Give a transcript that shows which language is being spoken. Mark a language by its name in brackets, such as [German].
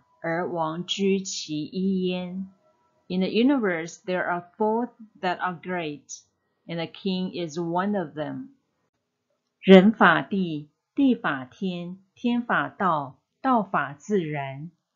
[Chinese] 玉中有四大，而王居其一焉. [English] In the universe, there are four that are great, and the king is one of them. [Chinese] 人法地，地法天，天法道，道法自然.